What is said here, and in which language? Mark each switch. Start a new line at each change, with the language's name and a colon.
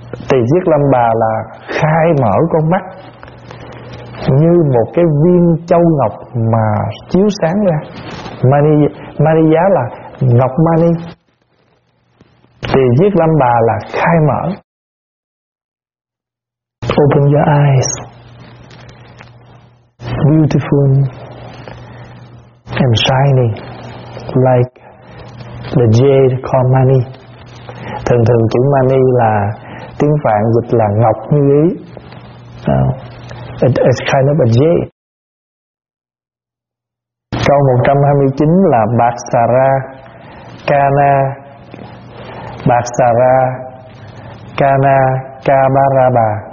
Vietnamese: Tỳ Chiết Lam Bà là khai mở con mắt như một cái viên châu ngọc mà chiếu sáng ra. Ma Ni Giá là ngọc Ma Ni. thì Diết Lâm Bà là khai mở.
English: Open your eyes, beautiful and shining like the jade called Mani.
Vietnamese: Thường thường chữ Mani là tiếng Phạn dịch là ngọc như ý.
English: It's kind of a jade.
Vietnamese: Câu 129 là Baksara Kana Baksara Kana Kabaraba.